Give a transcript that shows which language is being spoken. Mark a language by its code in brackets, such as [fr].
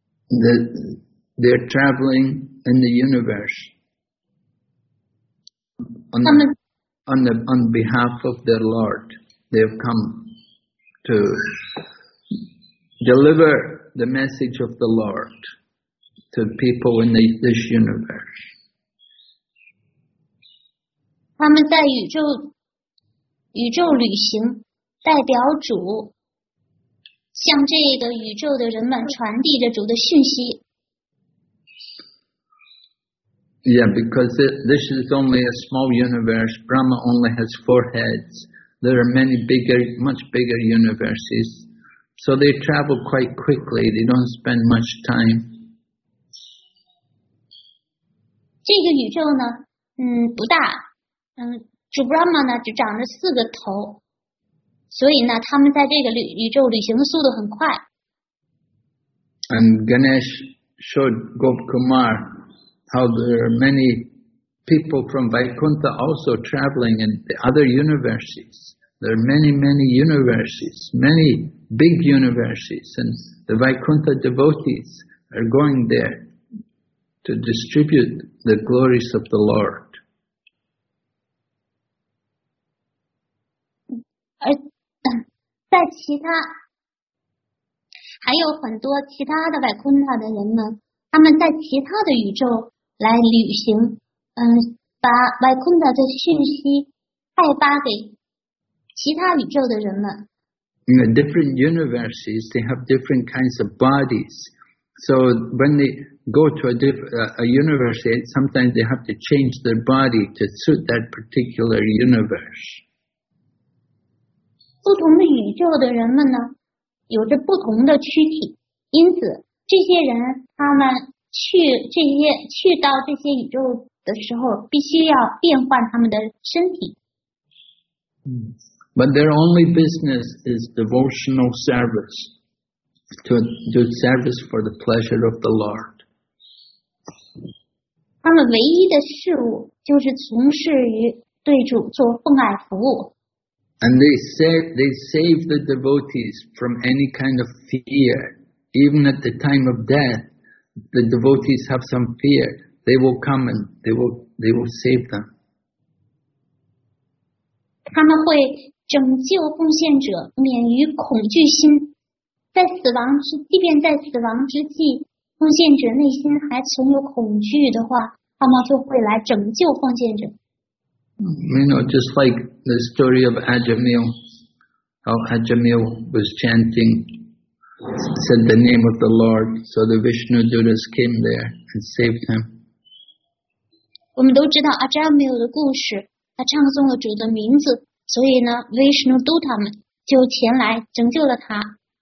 [en] They're traveling in the universe on behalf of their Lord. They have come to deliver the message of the Lord to people in this universe. [zh] 他们在宇宙旅行，代表主向这个宇宙的人们传递着主的讯息。 [en] Yeah, because this is only a small universe. Brahma only has four heads. There are many bigger, much bigger universes. So they travel quite quickly. They don't spend much time. [zh] 这个宇宙呢，不大。主 Brahma 呢，只长着四个头。所以呢，他们在这个宇宙旅行的速度很快。 [en] And Ganesh showed Gop Kumar how there are many people from Vaikuntha also traveling in the other universes. There are many, many universes, many big universes, and the Vaikuntha devotees are going there to distribute the glories of the Lord. [zh] 在其他还有很多其他的 Vaikuntha 的人们，他们在其他的宇宙来旅行，把 Vaikuntha 的讯息派发给其他宇宙的人们。 [en] In the different universes, they have different kinds of bodies. So when they go to a universe, sometimes they have to change their body to suit that particular universe. [zh] 不同的宇宙的人们呢，有着不同的躯体，因此这些人他们去到这些宇宙的时候，必须要变换他们的身体。 [en] But their only business is devotional service, to do service for the pleasure of the Lord. [zh] 他们唯一的事物就是从事于对主做奉爱服务。 [en] And they save the devotees from any kind of fear even at the time of death, the devotees have some fear. They will come and they will save them. [zh] 他们会拯救奉献者，免于恐惧心。在死亡之，即便在死亡之际，奉献者内心还存有恐惧的话，他们就会来拯救奉献者。 [en] You know, just like the story of Ajamil, how Ajamil was chanting, said the name of the Lord, so the Vishnu Dutas came there and saved him. [zh] 我们都知道 Ajamil 的故事，他唱诵了主的名字，所以呢 ，Vishnu Duta 们就前来拯救了他。